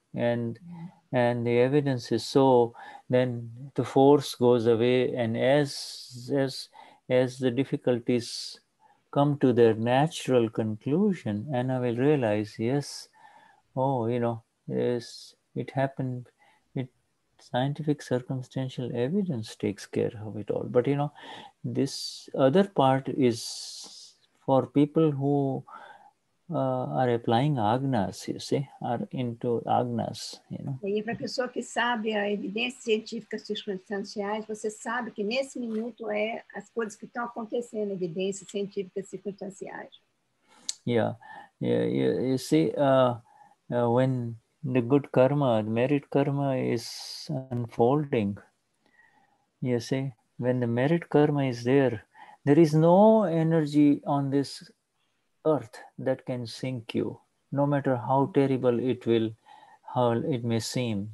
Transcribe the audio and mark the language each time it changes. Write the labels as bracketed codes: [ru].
[en] And the evidence is so, then the force goes away, and as the difficulties come to their natural conclusion, Anna will realize, yes, oh, you know, yes, it happened. Scientific circumstantial evidence takes care of it all. But, you know, this other part is for people who are applying agnas, you see, are into agnas, you know. [pt] E para a pessoa que sabe a evidência científica circunstanciais, você sabe que nesse minuto é as coisas que estão acontecendo, evidências científicas circunstanciais. [en] You see, when the good karma, the merit karma is unfolding, you see, when the merit karma is there, there is no energy on this earth that can sink you, no matter how terrible it may seem.